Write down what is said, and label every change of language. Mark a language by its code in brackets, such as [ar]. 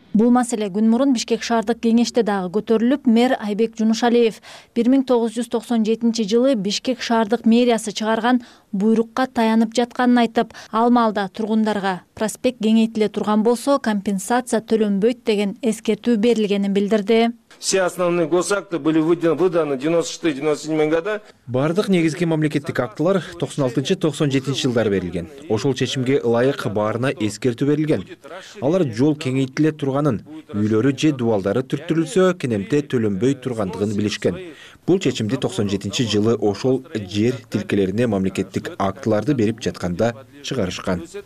[ky] Бул маселе күн мурун Бишкек шаардык кеңеште дагы көтөрүлүп, мэр Айбек Жунушалиев 1997-жылы Бишкек шаардык мэриясы чыгарган буйрукка таянып жатканын айтып, ал маалда тургундарга проспект кеңейтиле турган болсо компенсация төлөнбөйт деген эскертүү берилгенин билдирди. [ru] Все основные госакты были выданы 96-97 года. [ky] Бардык негизги мамлекеттик актылар 96-97 жылдар берилген. Ошол чечимге ылайык баарына эскертүү берилген. Алар жол кеңейтиле турганын, үйлөрү же дубалдары түрттүрүлсө, кенемте төлөнбөй тургандыгын билишкен. Бул чечимди 97 жылы ошол жер тилкелерине мамлекеттик актыларды берип жатканда чыгарышкан.